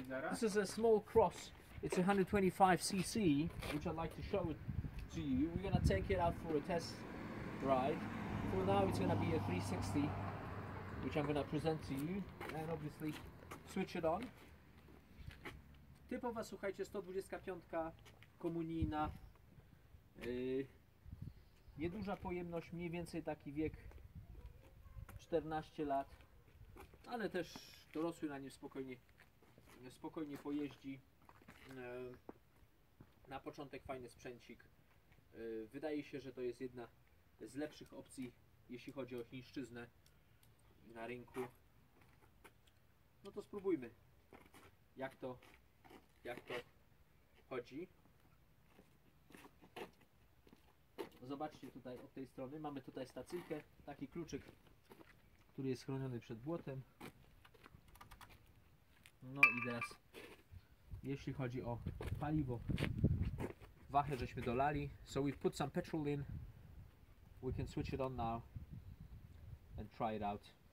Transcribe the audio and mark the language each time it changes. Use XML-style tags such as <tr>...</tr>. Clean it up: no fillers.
<en>This is a small cross. It's 125cc, which I'd like to show it to you. We're gonna take it out for a test ride. For now it's gonna be a 360, which I'm gonna present to you, and obviously switch it on.</en> <pl>Typowa, słuchajcie, 125 komunijna. Nieduża pojemność, mniej więcej taki wiek 14 lat, ale też dorosły na nim spokojnie pojeździ. Na początek fajny sprzęcik. Wydaje się, że to jest jedna z lepszych opcji, jeśli chodzi o chińszczyznę na rynku. No to spróbujmy, jak to chodzi. Zobaczcie tutaj od tej strony, mamy tutaj stacyjkę, taki kluczyk, który jest chroniony przed błotem. No i teraz, jeśli chodzi o paliwo, wahę żeśmy dolali.</pl> <en>So we've put some petrol in. We can switch it on now and try it out.</en>